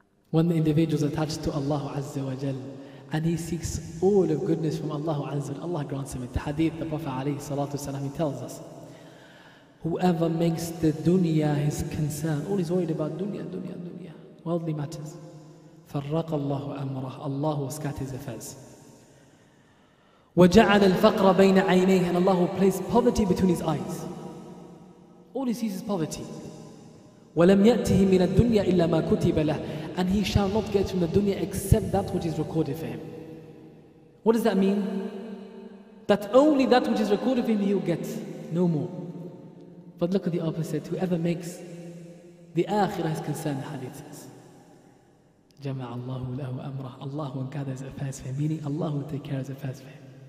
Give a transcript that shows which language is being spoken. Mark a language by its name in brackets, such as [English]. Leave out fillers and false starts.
[English] When the individual is attached to Allah Azza wa Jal and he seeks all of goodness from Allah Azza wa Jal, Allah grants him. In the hadith, the Prophet alayhi salatu wasalam, he tells us, whoever makes the dunya his concern, all he's worried about dunya, worldly matters. [Arabic] فرق الله أمره. [English] Allah will scatter his affairs. [Arabic] وجعل الفقر بين عينيه. [English] And Allah will place poverty between his eyes. All he sees is poverty. [Arabic] ولم يأته من الدنيا إلا ما كتب له. [English] And he shall not get from the dunya except that which is recorded for him. What does that mean? That only that which is recorded for him he'll get, no more. But look at the opposite. Whoever makes the akhirah his concern, the hadith says, [Arabic] جَمَعَ اللَّهُ لَهُ أَمْرَهُ [English] Allah will gather his affairs for him, meaning Allah will take care of his affairs for him.